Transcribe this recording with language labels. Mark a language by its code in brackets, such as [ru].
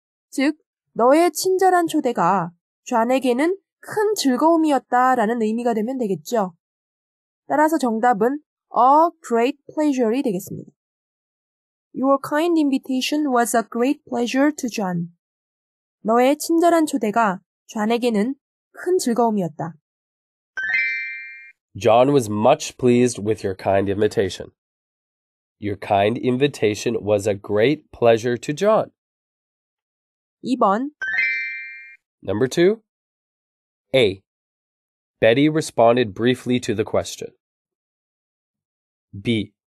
[ko] 즉, 너의 친절한 초대가 존에게는 큰 즐거움이었다 라는 의미가 되면 되겠죠. 따라서 정답은 [en] a great pleasure [ko] 이 되겠습니다. [en] Your kind invitation was a great pleasure to John. [ko] 너의 친절한 초대가 존에게는 큰 즐거움이었다. [en] John was much pleased with your kind invitation. Your kind invitation was a great pleasure to John. [ko] 2번 [en] Number 2 A. Betty responded briefly to the question. B.